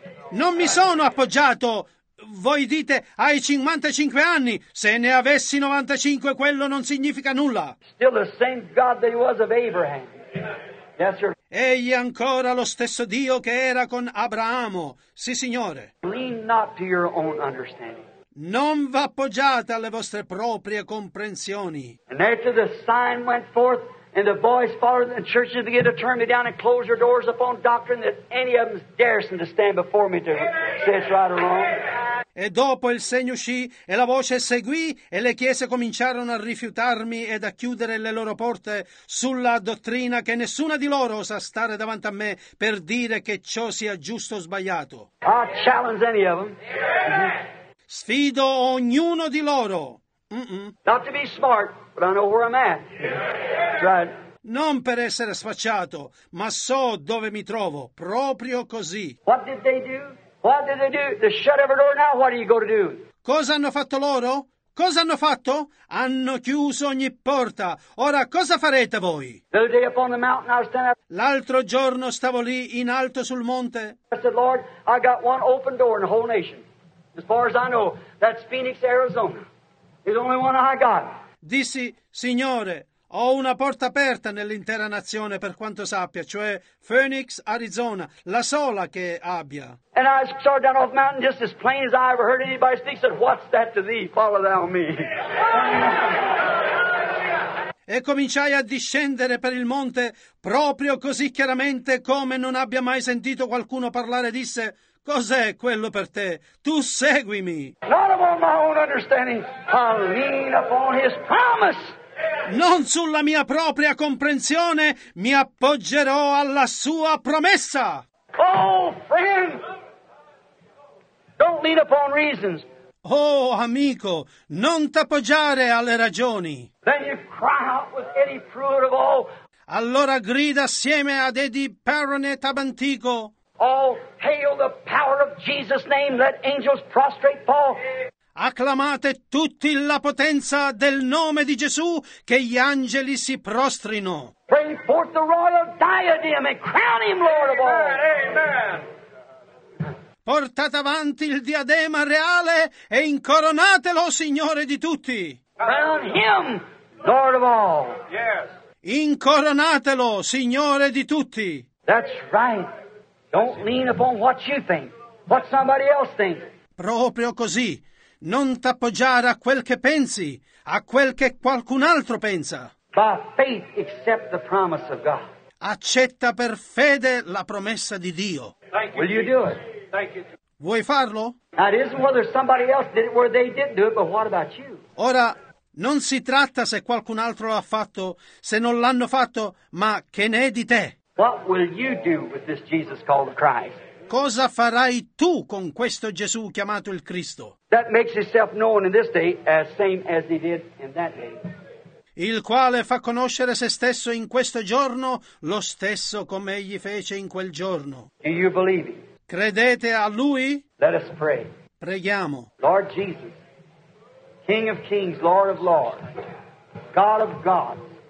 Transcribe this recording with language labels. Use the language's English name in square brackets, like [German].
[Italian] Non mi sono appoggiato. Voi dite, hai 55 anni. Se ne avessi 95, quello non significa nulla. [English] Still the same God that he was of Abraham. Yes, sir. [Italian] Egli è ancora lo stesso Dio che era con Abramo. Sì, Signore. [English] Lean not to your own understanding. [Italian] Non vi appoggiate alle vostre proprie comprensioni. [English] And after the sign went forth, and the boys followed, and churches began to turn me down and close their doors upon doctrine that any of them daresn't to stand before me to say it's right or wrong. [Italian] E dopo il segno uscì, e la voce seguì, e le chiese cominciarono a rifiutarmi ed a chiudere le loro porte sulla dottrina che nessuna di loro osa stare davanti a me per dire che ciò sia giusto o sbagliato. [English] I challenge any of them. [Italian] Sfido ognuno di loro. [English] Not to be smart, but I know where I'm at. Right. [Italian] Non per essere sfacciato, ma so dove mi trovo, proprio così. [English] What did they do? What did they do? They shut every door. Now what are you going to do? [Italian] Cosa hanno fatto loro? Cosa hanno fatto? Hanno chiuso ogni porta. Ora cosa farete voi? [English] The other day up on the mountain, I was standing up. [Italian] L'altro giorno stavo lì in alto sul monte. [English] I said, Lord, I got one open door in the whole nation. As far as I know, that's Phoenix, Arizona. It's the only one I got. [Italian] Dissi, Signore, ho una porta aperta nell'intera nazione, per quanto sappia, cioè Phoenix, Arizona, la sola che abbia. [English] And I started down off the mountain just as plain as I ever heard anybody speak. Said, what's that to thee? Follow thou me. [Italian] E cominciai a discendere per il monte proprio così chiaramente come non abbia mai sentito qualcuno parlare. Disse, cos'è quello per te? Tu seguimi. [English] Not upon my own understanding, I'll lean upon his promise. [Italian] Non sulla mia propria comprensione, mi appoggerò alla sua promessa. [English] Oh, friend, don't lean upon reasons. [Italian] Oh, amico, non t'appoggiare alle ragioni. [English] Then you cry out with Eddie Pruitt of all. [Italian] Allora grida assieme ad Eddie Perronet Abantico. [English] All hail the power of Jesus' name, let angels prostrate fall. [Italian] Acclamate tutti la potenza del nome di Gesù, che gli angeli si prostrino. [English] Bring forth the royal diadem and crown him Lord of all. Amen. [Italian] Portate avanti il diadema reale e incoronatelo Signore di tutti. [English] Crown him Lord of all. Yes. [Italian] Incoronatelo Signore di tutti. [English] That's right. Don't lean upon what you think, what somebody else thinks. [Italian] Proprio così. Non t'appoggiare a quel che pensi, a quel che qualcun altro pensa. [English] By faith, accept the promise of God. [Italian] Accetta per fede la promessa di Dio. [English] Thank you, will you do it? Thank you. [Italian] Vuoi farlo? [English] Now, it isn't whether somebody else did it or they didn't do it, but what about you? [Italian] Ora, non si tratta se qualcun altro l'ha fatto, se non l'hanno fatto, ma che ne è di te? [English] What will you do with this Jesus called Christ? [Italian] Cosa farai tu con questo Gesù chiamato il Cristo? [English] That makes himself known in this day as same as he did in that day. [Italian] Il quale fa conoscere se stesso in questo giorno lo stesso come egli fece in quel giorno. [English] Do you believe him? [Italian] Credete a lui? [English] Let us pray. [Italian] Preghiamo. [English] Lord Jesus, King of Kings, Lord of Lords, God of Gods.